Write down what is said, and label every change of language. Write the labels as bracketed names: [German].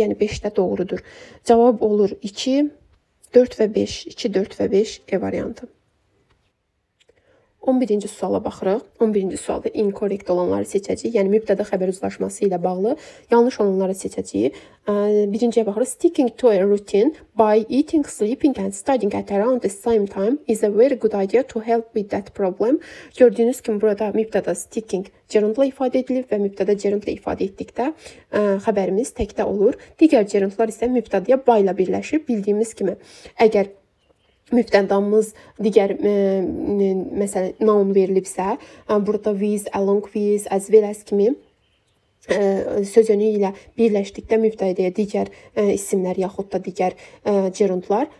[Azerbaijani] Yəni, 5-də doğrudur. Cavab olur 2, 4 və 5. 2, 4 və 5 E variantı. 11-ci suala baxırıq. 11-ci sualda incorrect olanları seçəcəyik. Yəni, mübtədə xəbər uzlaşması ilə bağlı yanlış olanları seçəcəyik. Birinciyə baxırıq. [English] Sticking to a routine by eating, sleeping and studying at around the same time is a very good idea to help with that problem. [Azerbaijani] Gördüyünüz kimi, burada mübtədə sticking gerundla ifadə edilib və mübtədə gerundla ifadə etdikdə xəbərimiz təkdə olur. Digər gerundlar isə mübtədəyə by ilə birləşir. Bildiyimiz kimi, əgər mübtədamız digər məsələn, noun verilibsə, burada with, along with, as well as kimi söz önü ilə birləşdikdə mübtədəyə digər isimlər yaxud da digər gerundlar.